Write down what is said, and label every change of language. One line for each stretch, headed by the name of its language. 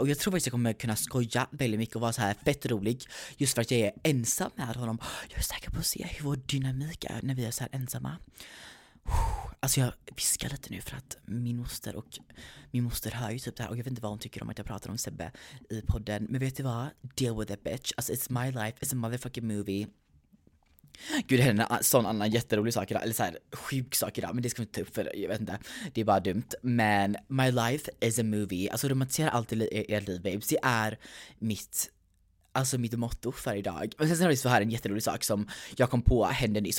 Swedish: Och jag tror faktiskt jag kommer kunna skoja väldigt mycket och vara så här fett rolig. Just för att jag är ensam med honom. Jag är säker på att se hur vår dynamik är när vi är så här ensamma. Alltså jag viskar lite nu för att min moster och min moster hör ju typ det här. Och jag vet inte vad hon tycker om att jag pratar om Sebbe i podden. Men vet du vad?
English: Deal with it bitch. Alltså it's my life, it's a motherfucking movie.
Swedish: Gud, det är en sån annan jätterolig sak idag. Eller så här sjuk sak idag. Men det ska vi ta upp för, jag vet inte. Det är bara dumt. Men
English: my life is a movie.
Swedish: Alltså romantisera allt i er liv, babes. Det är mitt... alltså mitt motto för idag. Och sen har vi så här en jätterolig sak som jag kom på hände nyss.